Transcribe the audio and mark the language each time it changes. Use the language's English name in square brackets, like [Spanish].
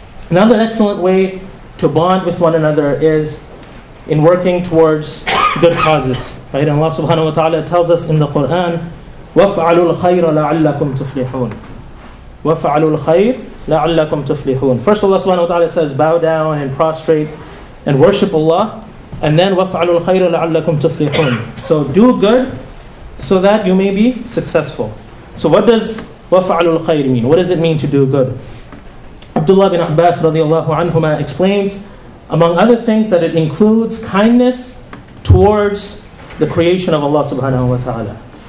[English] Another excellent way to bond with one another is in working towards good causes. Right? And Allah subhanahu wa ta'ala tells us in the Qur'an, [Arabic] وَفْعَلُوا الْخَيْرَ لَعَلَّكُمْ تُفْلِحُونَ. وَفَعَلُوا الْخَيْرَ لَعَلَّكُمْ تُفْلِحُونَ. [English] First, Allah subhanahu wa ta'ala says, bow down and prostrate and worship Allah. And then, [Arabic] وَفَعَلُوا الْخَيْرَ لَعَلَّكُمْ تُفْلِحُونَ. [English] So do good so that you may be successful. So what does [Arabic] وَفَعَلُوا الْخَيْرِ [English] mean? What does it mean to do good? Abdullah bin Abbas radiallahu anhuma explains, among other things, that it includes kindness towards the creation of Allah subhanahu wa ta'ala.